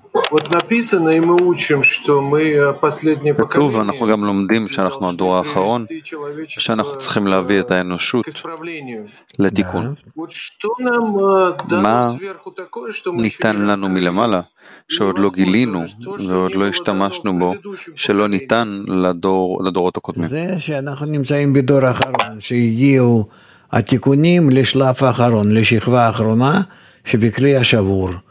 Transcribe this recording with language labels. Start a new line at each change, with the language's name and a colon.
Russian: Вот написано, и мы учим, что мы последнее поколение.
Hebrew: כתוב, אנחנו גם לומדים שאנחנו הדור האחרון, שאנחנו צריכים להביא את האנושות לתיקון.
Russian: Вот что нам дано сверху такое, что мы
Hebrew: ניתן לנו מלמעלה, שעוד לא גילינו ועוד לא השתמשנו בו, שלא ניתן לדורות הקודמים. זה שאנחנו נמצאים בדור האחרון, שהגיעו התיקונים לשלב האחרון, לשכבה האחרונה, שבכלי השבור.